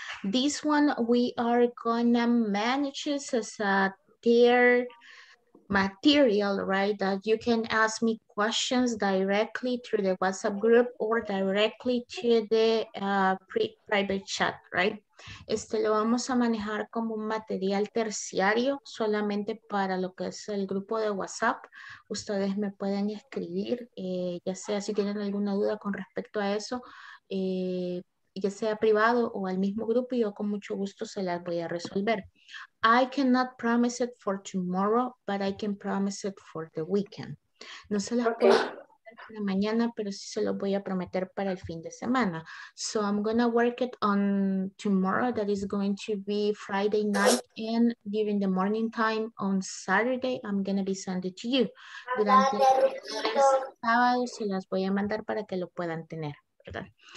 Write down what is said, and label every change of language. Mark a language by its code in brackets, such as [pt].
[en] This one we are gonna manage this as a tier material, right, that you can ask me questions directly through the WhatsApp group or directly to the private chat, right? [es] Este lo vamos a manejar como un material terciario solamente para lo que es el grupo de WhatsApp. Ustedes me pueden escribir, ya sea si tienen alguna duda con respecto a eso, ya sea privado o al mismo grupo, yo con mucho gusto se las voy a resolver. [en] I cannot promise it for tomorrow, but I can promise it for the weekend. [es] No se las puedo prometer para mañana, pero sí se los voy a prometer para el fin de semana. [en] So I'm gonna work it on tomorrow, that is going to be Friday night, and during the morning time on Saturday, I'm gonna be sending it to you. [es] Durante el sábado se las voy a mandar para que lo puedan tener, ¿verdad?